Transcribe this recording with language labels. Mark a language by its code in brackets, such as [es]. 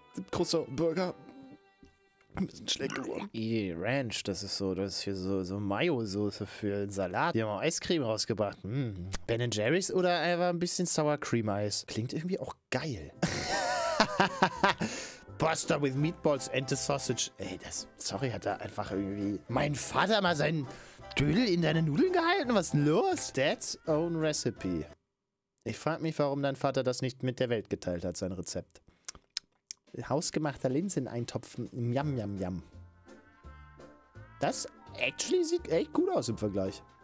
[de] Großer Burger. Ein bisschen schlecht geworden. Ey, Ranch, das ist hier so Mayo-Soße für einen Salat. Die haben auch Eiscreme rausgebracht. Mm. Ben & Jerry's oder einfach ein bisschen Sour Cream Eis. Klingt irgendwie auch geil. [en] Pasta with Meatballs and the Sausage. [de] Ey, hat da einfach irgendwie mein Vater mal seinen Dödel in deine Nudeln gehalten? Was ist denn los? [en] Dad's own recipe. [de] Ich frag mich, warum dein Vater das nicht mit der Welt geteilt hat, sein Rezept. Hausgemachter Linseneintopf. Miam, miam, miam. Das actually sieht echt gut aus im Vergleich.